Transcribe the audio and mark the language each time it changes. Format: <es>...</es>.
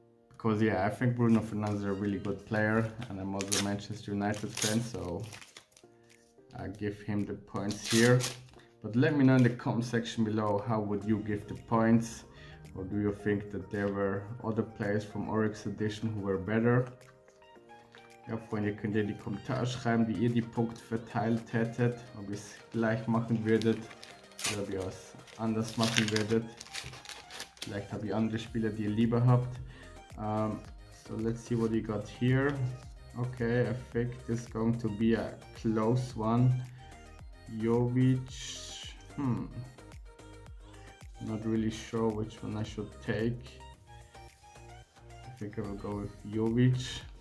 <en>Because yeah, I think Bruno Fernandes is a really good player and I'm also a Manchester United fan, so I give him the points here. But let me know in the comment section below, how would you give the points? Or do you think that there were other players from Oryx edition who were better?</en> <de>Ja, Freunde, könnt ihr in die Kommentare schreiben, wie ihr die Punkte verteilt hättet, ob ihr es gleich machen würdet oder ob ihr es anders machen würdet. Vielleicht habt ihr andere Spieler, die ihr lieber habt.</de> <en>So let's see what we got here. Okay, I think this is going to be a close one. Jovic. Not really sure which one I should take. I think I will go with Jovic.</en>